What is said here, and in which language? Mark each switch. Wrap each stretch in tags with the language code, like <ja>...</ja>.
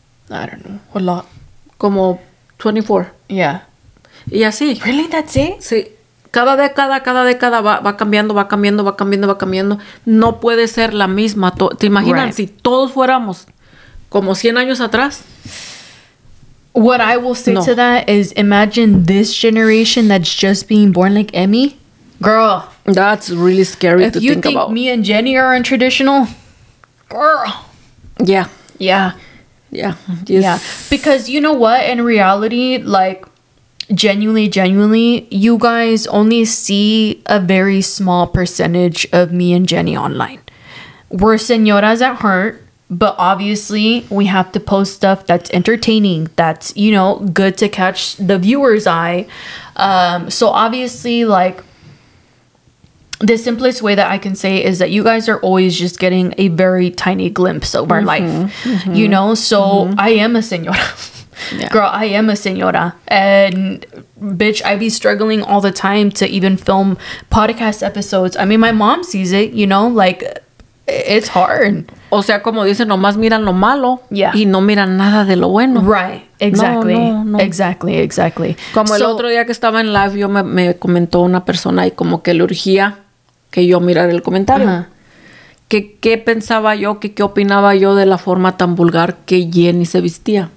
<en>I don't know. A lot.</en> <es>Como 24.</es> <en>Yeah.</en> <es>Y así.</es> <en>Really, that's it?</en> <es>Sí. Cada década va cambiando. No puede ser la misma. ¿Te imaginas right. si todos fuéramos como 100 años atrás?</es> <en>What I will say to that is, imagine this generation that's just being born, like Emmy. Girl. That's really scary to think about. If you think me and Jenny are untraditional, girl. Yeah. Yeah. Yeah. Yes. Yeah. Because you know what? In reality, like, genuinely, you guys only see a very small percentage of me and Jenny online. We're señoras at heart. But obviously, we have to post stuff that's entertaining, that's, you know, good to catch the viewer's eye. So obviously, like, the simplest way that I can say is that you guys are always just getting a very tiny glimpse of mm-hmm. our life, mm-hmm. you know? So mm-hmm. I am a señora. Yeah. Girl, I am a señora. And, bitch, I be struggling all the time to even film podcast episodes. I mean, my mom sees it, you know? Like, it's hard.</en> <es>O sea, como dicen, nomás miran lo malo</es> <en>yeah.</en> <es>y no miran nada de lo bueno.</es> <en>Right, exactly. No. Exactly.</en> <es>Como so, el otro día que estaba en live, yo me comentó una persona y como que le urgía que yo mirara el comentario. Uh-huh. ¿Qué pensaba yo? ¿Qué opinaba yo de la forma tan vulgar que Jenny se vistía?</es>